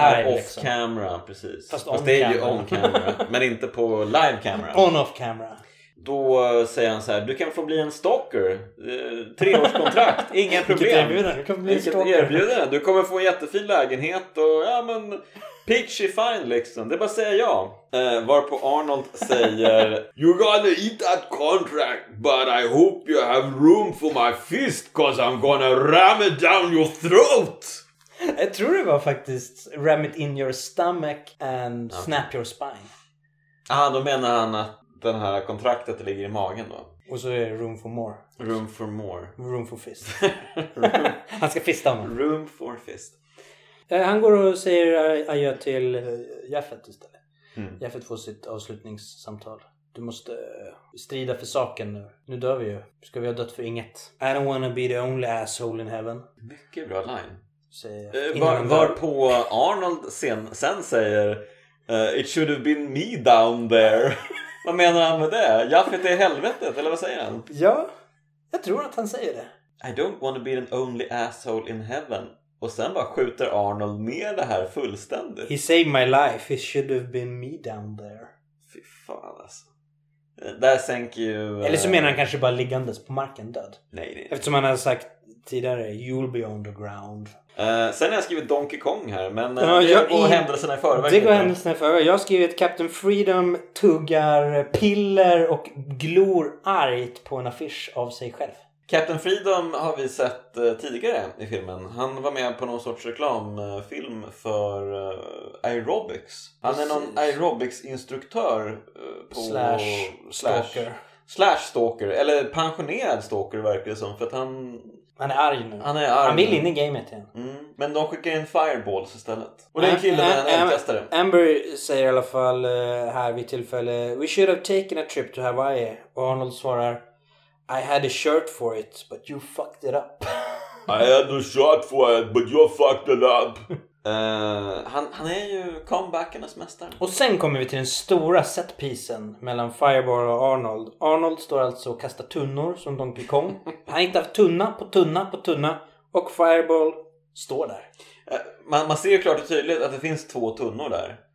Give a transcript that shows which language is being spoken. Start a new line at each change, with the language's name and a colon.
Swedish: Det är
English: off-camera,
Swedish: liksom. Precis. Fast det är ju
English: on-camera,
Swedish: men inte på
English: live-camera. On-off-camera.
Swedish: Då säger han så här, du kan få bli en stalker. 3-årskontrakt, inga problem. Vilket erbjudande. Du kommer få en jättefin lägenhet och ja, men... pitchy fine liksom, det bara säger jag. Varpå Arnold säger
English: you're gonna eat that contract but I hope you have room for my fist cause I'm gonna ram it down your throat.
Swedish: Jag tror det var faktiskt
English: ram it in your stomach and snap your spine.
Swedish: Ah, då menar han att den här kontraktet ligger i magen då. Och så är det
English: room for more. Room for more. Room for fist. Room.
Swedish: Han ska fista honom.
English: Room for fist.
Swedish: Han går och säger adjö till Jaffet istället. Mm. Jaffet får sitt avslutningssamtal. Du måste strida för saken nu. Nu dör vi ju. Ska vi ha dött för inget?
English: I don't wanna be the only asshole in heaven.
Swedish: Mycket bra line. Varpå Arnold sen säger
English: it should have been me down there.
Swedish: Vad menar han med det? Jaffet är helvetet, eller vad säger han? Ja, jag tror att han säger det.
English: I don't wanna be the only asshole in heaven.
Swedish: Och sen bara skjuter Arnold ner det här fullständigt.
English: He saved my life. It should have been me down there.
Swedish: Fy fan alltså. Där sänker ju... Eller så menar han kanske bara liggandes på marken död. Nej. Eftersom han har sagt tidigare,
English: you'll be on the ground.
Swedish: Sen har jag skrivit Donkey Kong här, men händelserna i förväg. Det går händelserna i förväg. Jag har skrivit Captain Freedom tuggar piller och glor argt på en affisch av sig själv. Captain Freedom har vi sett tidigare i filmen. Han var med på någon sorts reklamfilm för aerobics. Han är någon aerobics-instruktör på... Slash stalker. Slash stalker, eller pensionerad stalker verkar det som, för att han... Han är arg nu. Han är arg. Han vill in i gamet igen. Mm. Men de skickar in fireballs istället. Och det är en kille med en eldkastare. Amber säger i alla fall här vid tillfälle,
English: we should have taken a trip to Hawaii.
Swedish: Och Arnold svarar,
English: I had a shirt for it, but you fucked it up. I had a shirt for it, but you fucked it up.
Swedish: Han är ju comebackernas mästare. Och sen kommer vi till den stora setpisen mellan Fireball och Arnold. Arnold står alltså och kastar tunnor som Donkey Kong. Han hittar tunna på tunna på tunna och Fireball står där. Man ser ju klart och tydligt att det finns 2 tunnor där.